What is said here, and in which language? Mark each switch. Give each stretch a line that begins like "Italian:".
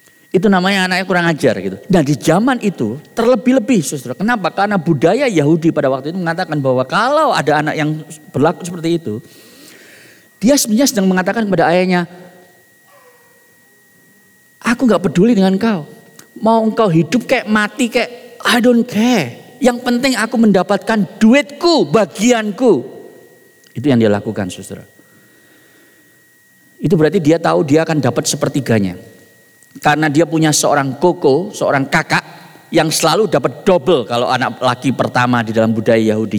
Indonesian: Itu namanya anaknya kurang ajar gitu. Nah, di zaman itu terlebih-lebih, saudara. Kenapa? Karena budaya Yahudi pada waktu itu mengatakan bahwa kalau ada anak yang berlaku seperti itu, dia sebenarnya sedang mengatakan kepada ayahnya, "Aku gak peduli dengan kau. Mau engkau hidup kayak mati kayak,
English: I don't care.
Indonesian: Yang penting aku mendapatkan duitku, bagianku." Itu yang dia lakukan, saudara. Itu berarti dia tahu dia akan dapat sepertiganya. Karena dia punya seorang koko, seorang kakak, yang selalu dapat double kalau anak laki pertama di dalam budaya Yahudi.